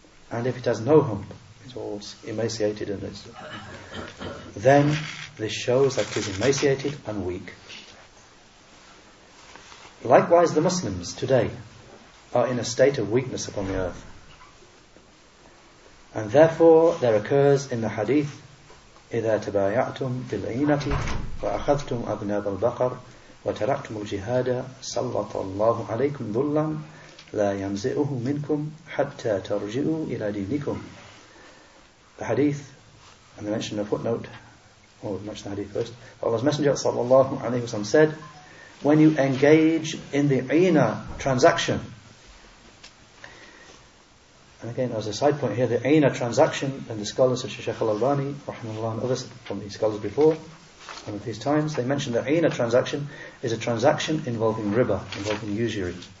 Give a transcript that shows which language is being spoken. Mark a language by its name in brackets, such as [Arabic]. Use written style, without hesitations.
[English] And if it has no hump, it's all emaciated and it's, then this shows that it is emaciated and weak. Likewise, the Muslims today are in a state of weakness upon the earth. [Arabic] And therefore, there occurs in the hadith, إِذَا تَبَايَعْتُمْ بِالْعِينَةِ وَأَخَذْتُمْ أَذْنَابَ الْبَقَرِ وَتَرَكْتُمُ الْجِهَادَ سَلَّطَ اللَّهُ عَلَيْكُمْ ذُلًّا لَا يَنْزِئُهُ مِنْكُمْ حَتَّى تَرْجِئُوا إِلَى دِينِكُمْ. [English] The hadith, and they mention a footnote, mention the hadith first. Allah's Messenger sallallahu alayhi wa sallam said, when you engage in the ina transaction, and again, as a side point here, the ina transaction, and the scholars such as Shaykh al-Albani, rahimahullah, and others from these scholars before, one of these times, they mentioned the ina transaction is a transaction involving riba, involving usury.